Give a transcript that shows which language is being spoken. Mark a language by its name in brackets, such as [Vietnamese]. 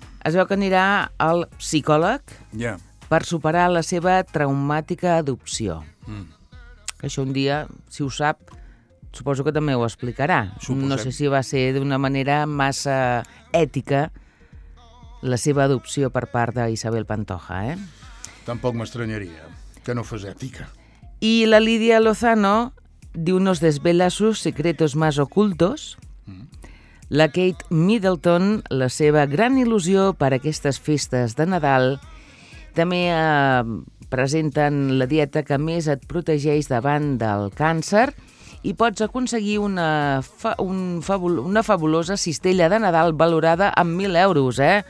[Catalan] Es veu que anirà al psicòleg per superar la seva traumàtica adopció. Això un dia, si ho sap, suposo que també ho explicarà. Suposem. No sé si va ser d'una manera massa ètica la seva adopció per part d'Isabel Pantoja, eh? Tampoc m'estranyaria que no fos ètica. I la Lídia Lozano diu [Spanish] nos desvela sus secretos más ocultos. [Catalan] la Kate Middleton, la seva gran il·lusió per aquestes festes de Nadal. També presenten la dieta que més et protegeix davant del càncer i pots aconseguir una fabulosa cistella de Nadal valorada amb 1.000 euros, eh?